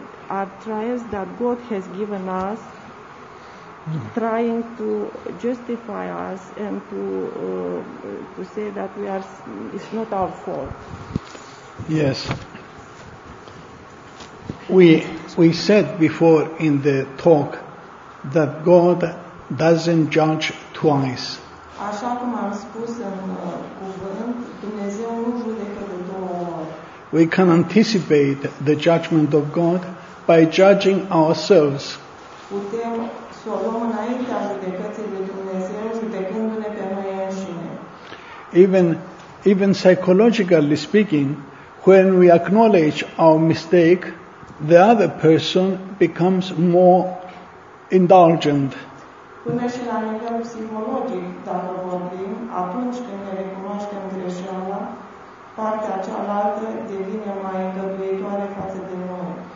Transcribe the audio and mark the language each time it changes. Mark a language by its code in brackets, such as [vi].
[en] are trials that God has given us, trying to justify us and to say that we are, it's not our fault. Yes. We said before in the talk that God doesn't judge twice. [ro] Așa cum am spus în cuvânt, Dumnezeu nu judecă de două ori. [en] We can anticipate the judgment of God by judging ourselves. [ro] Putem să o luăm înaintea judecății lui Dumnezeu, judecându-ne pe noi înșine. [en] Even psychologically speaking, when we acknowledge our mistake, the other person becomes more indulgent. [ro] Până și la nivel psihologic, dacă vorbim, atunci când ne recunoaștem greșeala, partea cealaltă devine mai îngăduitoare față de noi.